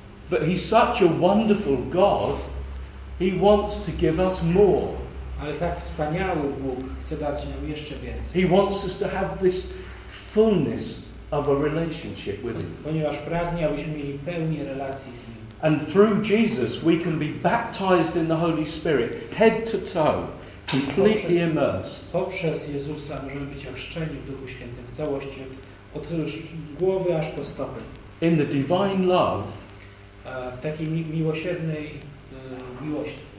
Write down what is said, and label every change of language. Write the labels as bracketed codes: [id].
[en] But He's such a wonderful God, He wants to give us more. [pl] Ale tak wspaniały Bóg chce dać nam jeszcze więcej. [en] He wants us to have this fullness of a relationship with Him. [pl] Ponieważ pragnie, abyśmy mieli pełnię relacji z Nim. [en] And through Jesus we can be baptized in the Holy Spirit, head to toe. completely immersed. [pl] Poprzez Jezusa możemy być ochrzczeni w Duchu Świętym w całości, od głowy aż po stopy. [en] In the divine love. [pl] W takiej miłosiernej miłości.